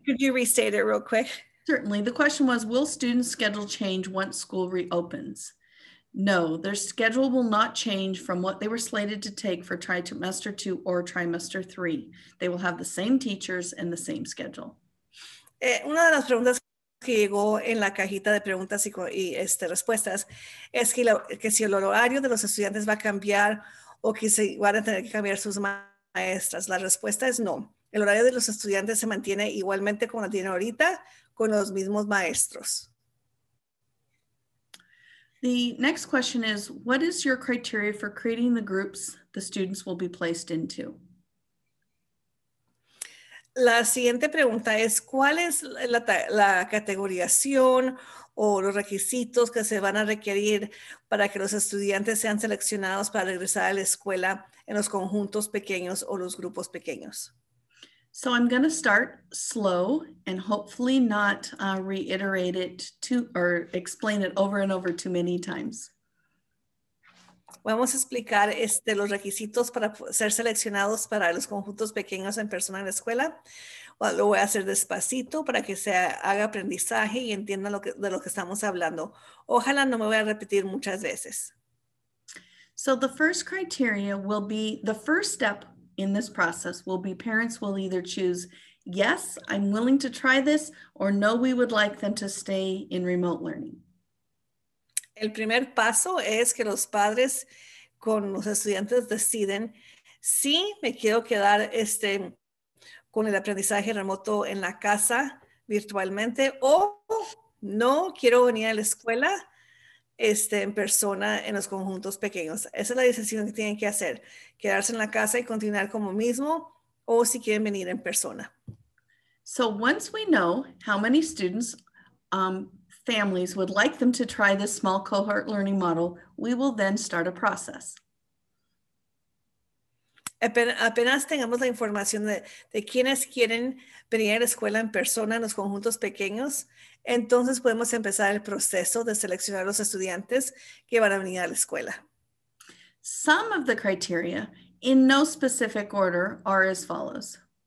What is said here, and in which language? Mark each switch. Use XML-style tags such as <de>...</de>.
<en>Could you restate it real quick? Certainly. The question was, will students' schedule change once school reopens? No, their schedule will not change from what they were slated to take for trimester two or trimester three. They will have the same teachers and the same schedule.</en> <es>Una de las preguntas que llegó en la cajita de preguntas y respuestas es que si el horario de los estudiantes va a cambiar o que se van a tener que cambiar sus maestras. La respuesta es no. El horario de los estudiantes se mantiene igualmente como la tiene ahorita con los mismos maestros.</es> <en>The next question is, what is your criteria for creating the groups the students will be placed into?</en> <es>La siguiente pregunta es, ¿cuál es la categorización o los requisitos que se van a requerir para que los estudiantes sean seleccionados para regresar a la escuela en los conjuntos pequeños o los grupos pequeños?</es> <en>So I'm going to start slow and hopefully not reiterate it too or explain it over and over too many times.</en> <es>Vamos a explicar los requisitos para ser seleccionados para los conjuntos pequeños en persona en la escuela. Lo voy a hacer despacito para que se haga aprendizaje y entienda lo que estamos hablando. Ojalá no me voy a repetir muchas veces.</es> <en>So the first criteria will be, the first step in this process will be parents will either choose, yes, I'm willing to try this, or no, we would like them to stay in remote learning.</en> <es>El primer paso es que los padres con los estudiantes deciden si me quiero quedar con el aprendizaje remoto en la casa virtualmente o no quiero venir a la escuela en persona en los conjuntos pequeños. Esa es la decisión que tienen que hacer, quedarse en la casa y continuar como mismo o si quieren venir en persona.</es> <en>So once we know how many students, families would like them to try this small cohort learning model, we will then start a process.</en> <es>Apenas tengamos la información de quienes quieren venir a la escuela en persona en los conjuntos pequeños, entonces podemos empezar el proceso de seleccionar los estudiantes que van a venir a la escuela.</es> <en>Some of the criteria, in no specific order, are as follows.</en>